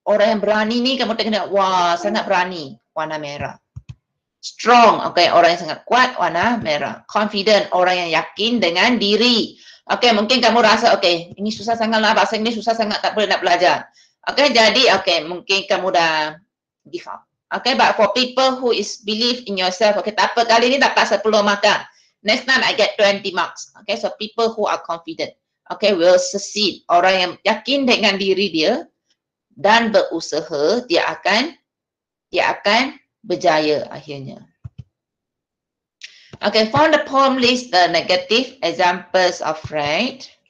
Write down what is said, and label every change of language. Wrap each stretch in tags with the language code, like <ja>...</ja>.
<ms>Orang yang berani ni kamu tengok, wah, sangat berani. Warna merah. Strong. Okay, orang yang sangat kuat. Warna merah. Confident. Orang yang yakin dengan diri. Okay, mungkin kamu rasa, okay, ini susah sangat lah. Bahasa ini susah sangat. Tak boleh nak belajar. Okay, jadi, okay, mungkin kamu dah</ms> <en>give up. Okay, but for people who is believe in yourself, okay,</en> <ms>tak apa, kali ni dapat 10 markah.</ms> <en>Next time, I get 20 marks. Okay, so people who are confident, okay, will succeed.</en> <ms>Orang yang yakin dengan diri dia dan berusaha, dia akan berjaya akhirnya.</ms> <en>Okay, from the poem list, the negative examples of right.</en>